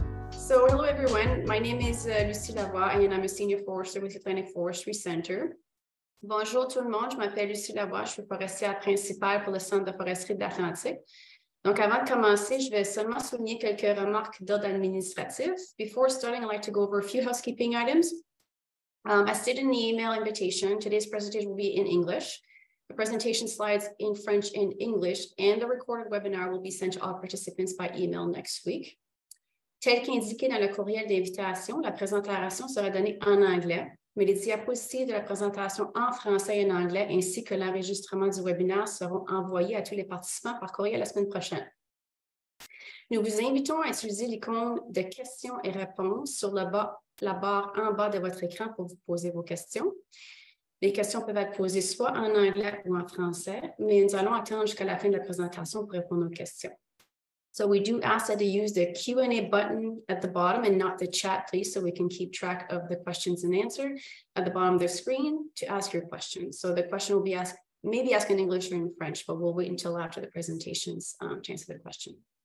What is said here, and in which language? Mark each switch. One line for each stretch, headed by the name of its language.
English: So hello everyone, my name is Lucie Lavoie and I'm a senior forester with the Atlantic Forestry Center.
French: Bonjour tout le monde, je m'appelle Lucie Lavoie, je suis forestière principale pour le Centre de foresterie de l'Atlantique. Donc avant de commencer, je vais seulement souligner quelques remarques d'ordre administratif.
English: Before starting, I'd like to go over a few housekeeping items. As stated in the email invitation, today's presentation will be in English. The presentation slides in French and English, and the recorded webinar will be sent to all participants by email next week.
French: Tel qu'indiqué dans le courriel d'invitation, la présentation sera donnée en anglais, mais les diapositives de la présentation en français et en anglais ainsi que l'enregistrement du webinaire seront envoyés à tous les participants par courriel la semaine prochaine. Nous vous invitons à utiliser l'icône de questions et réponses sur la barre en bas de votre écran pour vous poser vos questions. Les questions peuvent être posées soit en anglais ou en français, mais nous allons attendre jusqu'à la fin de la présentation pour répondre aux questions.
English: So we do ask that you use the Q&A button at the bottom and not the chat, please, so we can keep track of the questions and answer at the bottom of the screen to ask your questions. So the question will be asked, maybe asked in English or in French, but we'll wait until after the presentation's to answer the question.